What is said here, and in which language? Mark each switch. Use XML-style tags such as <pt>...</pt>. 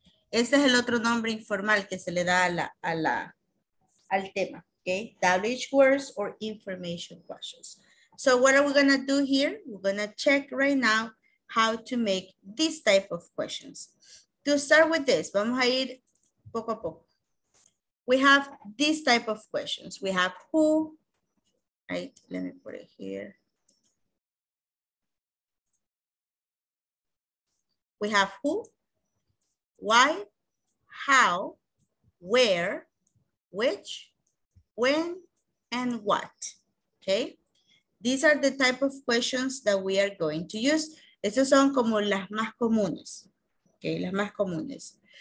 <es>Ese es el otro nombre informal que se le da al tema.</es> <en>Okay. WH words or information questions. So what are we going to do here? We're going to check right now how to make this type of questions. To start with this,</en> <es>vamos a ir poco a poco.</es> <en>We have this type of questions. We have who, right? Let me put it here. We have who, why, how, where, which, when, and what, okay? These are the type of questions that we are going to use.</en> <es>Estas son como las más comunes, okay, las más comunes.</es>